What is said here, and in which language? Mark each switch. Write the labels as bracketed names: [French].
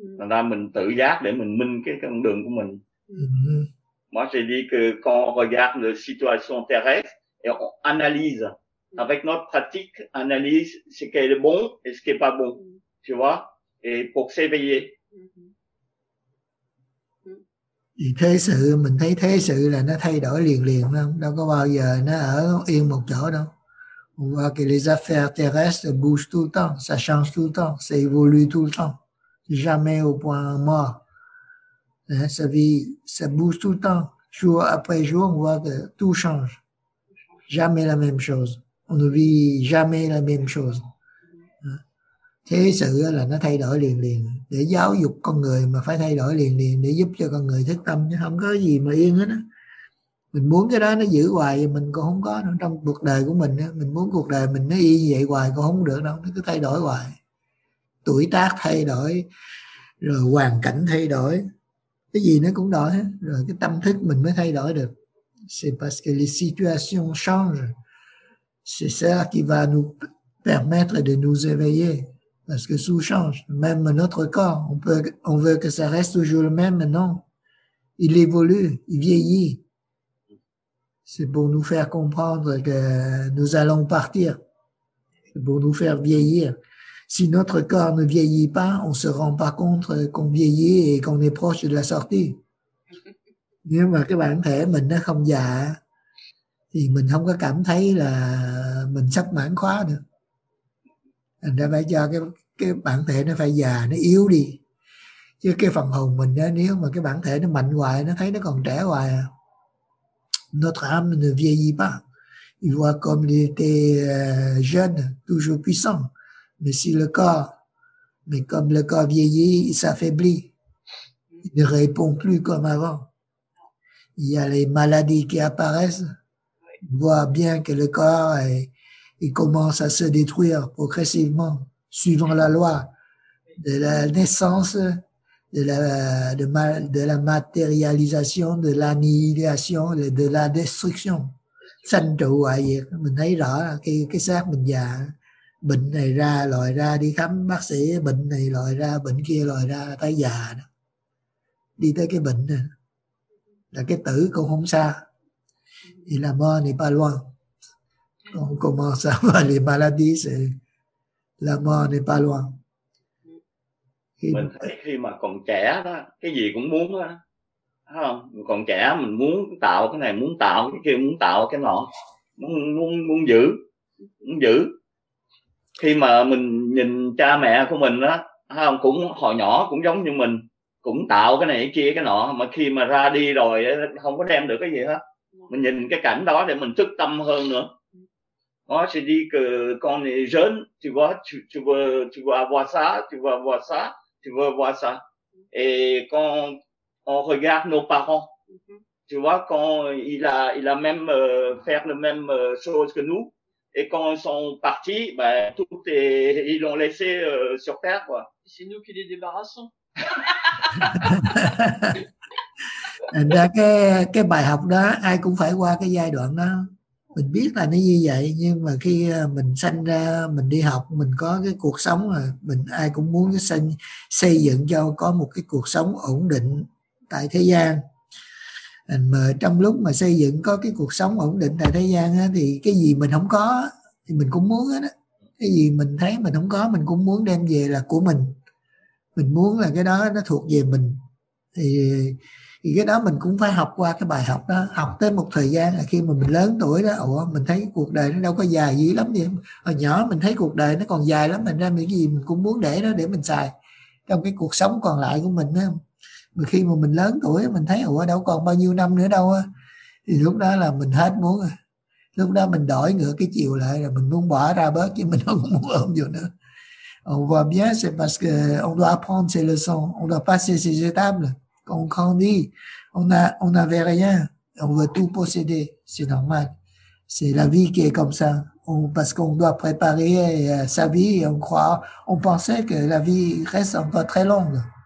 [Vietnamese] Thành ra mình tự giác để mình minh cái con đường của mình. [French] Moi j'ai dit que quand on regarde la situation terrestre et on analyse avec notre pratique, analyse ce qui est bon et ce qui est pas bon, tu vois, et pour s'éveiller. [Vietnamese] Thì thế sự, mình thấy thế sự là nó thay đổi liền liền, không đâu có bao giờ nó ở yên một chỗ đâu. [French] On voit que les affaires terrestres bougent tout le temps, ça change tout le temps, ça évolue tout le temps, jamais au point mort. Hein, sa vie, ça bouge tout le temps, jour après jour, on voit que tout change. Jamais la même chose. On ne vit jamais la même chose. [Vietnamese] Thế sự là nó thay đổi liền liền. Để giáo dục con người mà phải thay đổi liền liền, để giúp cho con người thức tâm, chứ không có gì mà yên hết á. Mình muốn cái đó nó giữ hoài thì mình cũng không có đâu. Trong cuộc đời của mình, mình muốn cuộc đời mình nó y như vậy hoài cũng không được đâu. Nó cứ thay đổi hoài. Tuổi tác thay đổi, rồi hoàn cảnh thay đổi. Cái gì nó cũng đổi hết. Rồi cái tâm thức mình mới thay đổi được. [French] C'est parce que les situations changent. C'est ça qui va nous permettre de nous éveiller. Parce que tout change. Même notre corps, on veut que ça reste toujours le même. Non, il évolue, il vieillit. C'est pour nous faire comprendre que nous allons partir. C'est pour nous faire vieillir. Si notre corps ne vieillit pas, on se rend pas compte qu'on vieillit et qu'on est proche de la sortie. [Vietnamese] Nếu mà cái bản thể mình nó không già, thì mình không có cảm thấy là mình sắp mãn khóa được. Thành ra phải cho cái bản thể nó phải già, nó yếu đi. Chứ cái phần hồn mình đó, nếu mà cái bản thể nó mạnh hoài, nó thấy nó còn trẻ hoài à. [French] Notre âme ne vieillit pas. Il voit comme il était jeune, toujours puissant. Mais si le corps, mais comme le corps vieillit, il s'affaiblit. Il ne répond plus comme avant. Il y a les maladies qui apparaissent. Il voit bien que le corps il commence à se détruire progressivement, suivant la loi de la naissance, de la matérialisation, de l'annihilation, de la destruction. [Vietnamese] Sanh trụ hoại diệt, mình thấy rõ là cái xác mình già, bệnh này ra loại ra, đi khám bác sĩ, bệnh này loại ra, bệnh kia loại ra, thấy già đó. Đi tới cái bệnh này là cái tử cũng không xa, thì là [French] mort n'est pas loin. On commence à avoir les maladies, la mort n'est pas loin. [Vietnamese] Mình thấy khi mà còn trẻ đó, cái gì cũng muốn đó, thấy không? Còn trẻ mình muốn tạo cái này, muốn tạo cái kia, muốn tạo cái nọ, muốn giữ. Khi mà mình nhìn cha mẹ của mình đó, thấy không? Cũng hồi nhỏ cũng giống như mình, cũng tạo cái này cái kia cái nọ, mà khi mà ra đi rồi không có đem được cái gì hết, mình nhìn cái cảnh đó để mình thức tâm hơn nữa. Nó sẽ đi [French] que quand on est jeune, tu vois, tu veux avoir ça, tu veux avoir ça. Et quand on regarde nos parents, tu vois, quand il a même faire le même chose que nous, et quand ils sont partis, ben tout est, ils l'ont laissé sur terre, quoi. C'est nous qui les débarrassons. [Vietnamese] Ra cái bài học đó ai cũng phải qua cái giai đoạn đó. Mình biết là nó như vậy, nhưng mà khi mình sanh ra, mình đi học, mình có cái cuộc sống rồi, mình ai cũng muốn xây dựng cho có một cái cuộc sống ổn định tại thế gian. Mà trong lúc mà xây dựng có cái cuộc sống ổn định tại thế gian á, thì cái gì mình không có thì mình cũng muốn hết á. Cái gì mình thấy mình không có mình cũng muốn đem về là của mình. Mình muốn là cái đó nó thuộc về mình. Thì cái đó mình cũng phải học qua cái bài học đó. Học tới một thời gian là khi mà mình lớn tuổi đó, ủa mình thấy cuộc đời nó đâu có dài dữ lắm vậy. Hồi nhỏ mình thấy cuộc đời nó còn dài lắm, mình ra những gì mình cũng muốn để đó để mình xài trong cái cuộc sống còn lại của mình á. Mà khi mà mình lớn tuổi mình thấy ủa đâu còn bao nhiêu năm nữa đâu á, thì lúc đó là mình hết muốn rồi. Lúc đó mình đổi ngược cái chiều lại là mình muốn bỏ ra bớt chứ mình không muốn ôm vô nữa. [French] On voit bien, c'est parce que on doit apprendre ses leçons, on doit passer ses étapes. Quand on grandit, on n'avait rien, on veut tout posséder, c'est normal. C'est la vie qui est comme ça. Parce qu'on doit préparer sa vie, et on pensait que la vie reste encore très longue.